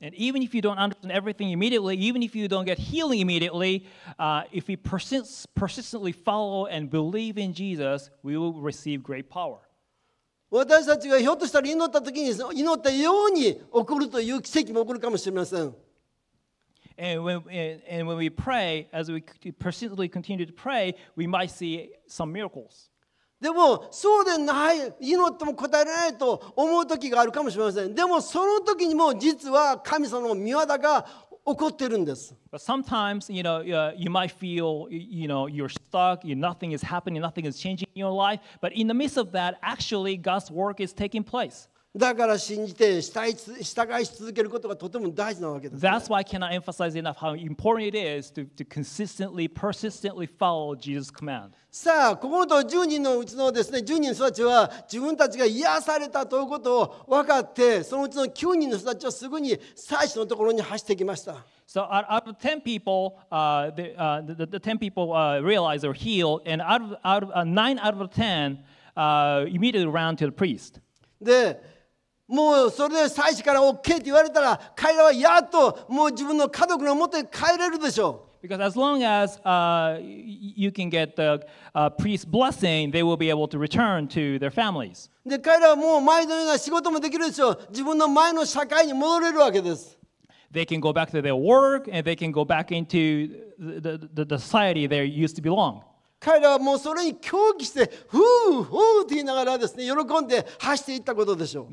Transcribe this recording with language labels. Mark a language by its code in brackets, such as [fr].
[en] And even if you don't understand everything immediately, even if you don't get healing immediately, if we persistently follow and believe in Jesus, we will receive great power. [ja] 私たちがひょっとしたら祈ったときに、祈ったように起こるという奇跡も起こるかもしれません。 [en] And when we pray, as we persistently continue to pray, we might see some miracles. [ja] でもそうでない祈っても答えられないと思う時があるかもしれません。でもその時にも実は神様の御業が起こってるんです。 [en] But sometimes, you know, you might feel, you know, you're stuck. Nothing is happening. Nothing is changing in your life. But in the midst of that, actually, God's work is taking place. [ja] だから信じて従い続けることがとても大事なわけです、ね。 [en] That's why I cannot emphasize enough how important it is to consistently, persistently follow Jesus' command. [ja] さあ、ここのと10人のうちのですね、10人の人たちは自分たちが癒されたということを分かって、そのうちの9人の人たちはすぐに祭司のところに走ってきました。 [en] So out of 10 people, the 10 people realized they're healed, and out of 9 out of 10, immediately ran to the priest. [ja] で、もうそれで祭司から OK って言われたら彼らはやっともう自分の家族の元に帰れるでしょう。 [en] Because as long as you can get the priest's blessing, they will be able to return to their families. [ja] で彼らはもう前のような仕事もできるでしょう。自分の前の社会に戻れるわけです。 [en] They can go back to their work and they can go back into the society they used to belong. [ja] 彼らはもうそれに狂気して、ふうふうって言いながらですね、喜んで走っていったことでしょう。